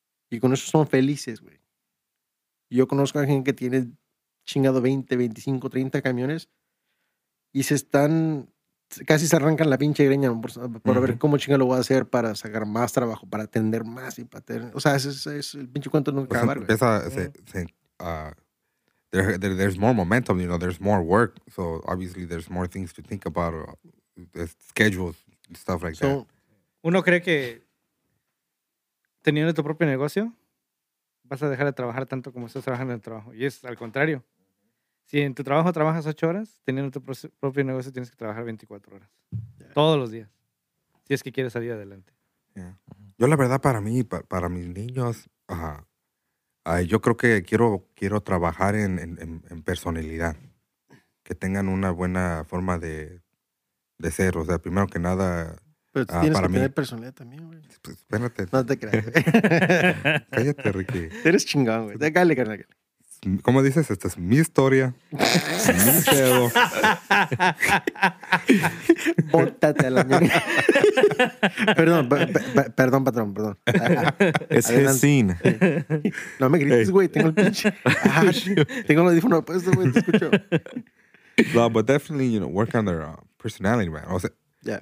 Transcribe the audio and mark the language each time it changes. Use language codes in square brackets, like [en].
[es] Y con eso son felices, güey. Yo conozco a gente que tiene chingado 20, 25, 30 camiones y se están, casi se arrancan la pinche greña por ver cómo chingado lo voy a hacer para sacar más trabajo, para atender más y para tener, o sea, es el pinche cuento nunca va a acabar. Empieza, [en] there's more momentum, you know, there's more work, so obviously there's more things to think about, schedules, stuff like that. [es] Uno cree que teniendo tu propio negocio vas a dejar de trabajar tanto como estás trabajando en el trabajo, y es al contrario. Si en tu trabajo trabajas 8 horas, teniendo tu propio negocio tienes que trabajar 24 horas. Yeah. Todos los días. Si es que quieres salir adelante. [en] Yeah. [es] Yo la verdad para mí, para mis niños, yo creo que quiero trabajar en personalidad. Que tengan una buena forma de cero. O sea, primero que nada... Pero tienes para que mí. Tener personalidad también, güey. Pues espérate. No te creas. Cállate, Ricky. Eres chingón, güey. Dale, carnal. ¿Cómo dices? Esta es mi historia. Mi pedo. Bótate a la mierda. Perdón, perdón, patrón, perdón. Es que sin. No me grites, güey. Tengo el pinche. Ah, tengo el audífono puesto, güey. Te escucho. [en] No, but definitely, you know, work on their personality, man. [es] O sea, [en] yeah.